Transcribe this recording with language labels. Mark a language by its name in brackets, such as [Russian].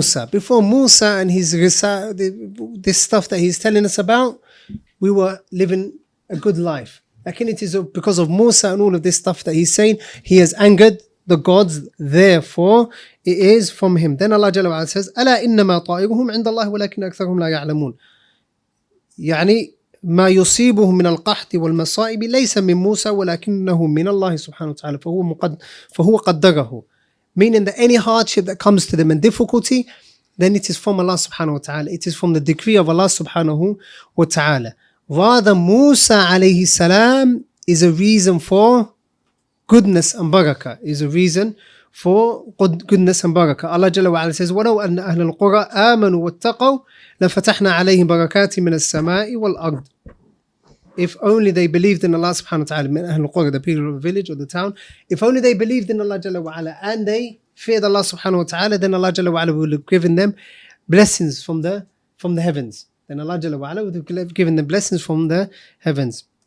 [English] Before Musa and his this stuff that he's telling us about, we were living a good life. لكن it is because of Musa and all of this stuff that he's saying, he has angered the gods, therefore it is from him. Then Allah Jalla wa'ala says, [Arabic] أَلَا إِنَّمَا طَائِرُهُمْ عِنْدَ اللَّهِ وَلَكِنْ أَكْثَرُهُمْ لَا يَعْلَمُونَ. يعني ما يصيبه من القحط والمصائب ليس من موسى ولكنه من الله سبحانه وتعالى فهو قدره. [English] Meaning that any hardship that comes to them and difficulty, then it is from Allah subhanahu wa ta'ala. It is from the decree of Allah subhanahu wa ta'ala. Rather, Musa [Arabic] عليه السلام [English] is a reason for goodness and barakah, is a reason for goodness and barakah. Allah Jalla wa'ala says, [Arabic] وَلَوْ أَنَّ أَهْلَ الْقُرَىٰ آمَنُوا وَاتَّقَوْا لَفَتَحْنَا عَلَيْهِمْ بَرَكَاتٍ مِنَ السَّمَاءِ وَالْأَرْضِ. [English] If only they believed in Allah subhanahu wa ta'ala, [Arabic] مِنْ أَهْلِ الْقُرَىٰ, [English] the people of the village or the town, if only they believed in Allah Jalla wa'ala and they feared Allah subhanahu wa ta'ala, then Allah Jalla wa'ala would have given them blessings from the heavens. Then Allah Jalla wa'ala would have given them blessings from the heavens.